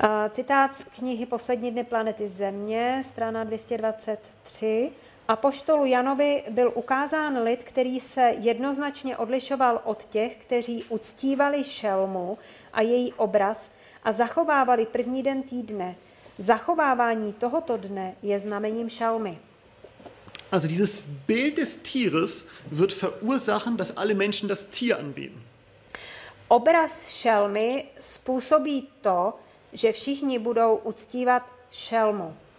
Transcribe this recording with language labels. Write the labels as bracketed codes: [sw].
[cs] Citát z knihy Poslední dny planety Země, strana 223. Apoštolu Janovi byl ukázán lid, který se jednoznačně odlišoval od těch, kteří uctívali šelmu a její obraz a zachovávali první den týdne. Zachovávání tohoto dne je znamením šalmy. [de] Also dieses Bild des Tieres wird verursachen, dass alle Menschen das Tier anbeten. [cs] Obraz šelmy způsobí to, že všichni budou uctívat šelmu.